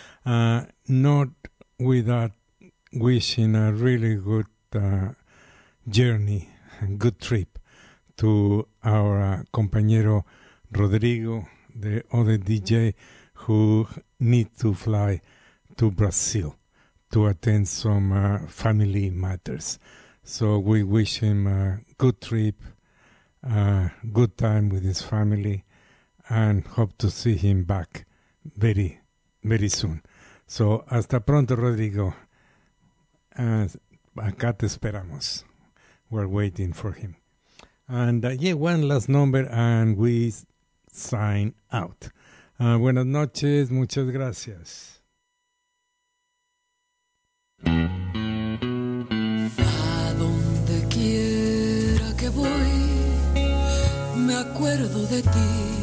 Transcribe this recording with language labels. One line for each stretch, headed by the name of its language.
English: Not without wishing a really good journey, a good trip to our compañero Rodrigo, the other DJ who need to fly to Brazil to attend some family matters. So we wish him a good trip, a good time with his family, and hope to see him back very, very soon.
Spanish: So hasta pronto, Rodrigo. Acá te esperamos.
English: We're waiting for him. And one last number, and we sign out.
Spanish: Buenas noches, muchas gracias. A donde quiera que voy, me acuerdo de ti.